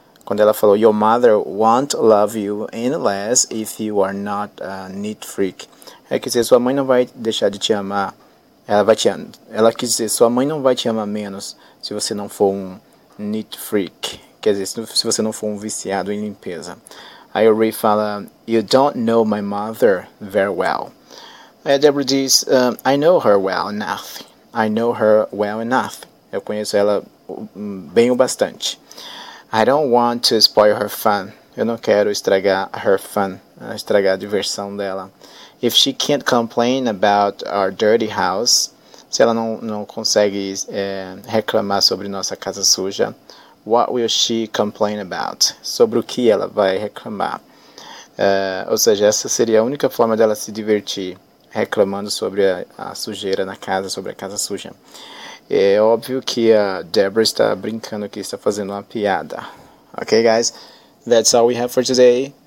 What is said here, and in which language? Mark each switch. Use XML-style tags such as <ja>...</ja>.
<pt>Quando ela falou,</pt> <en>your mother won't love you any less if you are not a neat freak.</en> <pt>É que se sua mãe não vai deixar de te amar, ela quis dizer, sua mãe não vai te amar menos se você não for um neat freak. Quer dizer, se você não for um viciado em limpeza. Aí o Ray fala,</pt> <en>you don't know my mother very well.</en> <pt>Aí a Deborah diz,</pt> <en>I know her well enough. I know her well enough.</en> <pt>Eu conheço ela bem o bastante.</pt> <en>I don't want to spoil her fun.</en> <pt>Eu não quero estragar</pt> <en>her fun,</en> <pt>estragar a diversão dela.</pt> <en>If she can't complain about our dirty house,</en> <pt>se ela não consegue reclamar sobre nossa casa suja,</pt> <en>what will she complain about?</en> <pt>Sobre o que ela vai reclamar? Ou seja, essa seria a única forma dela se divertir, reclamando sobre a sujeira na casa, sobre a casa suja. É óbvio que a Deborah está brincando aqui, está fazendo uma piada.</pt> <en>Okay, guys, that's all we have for today.</en>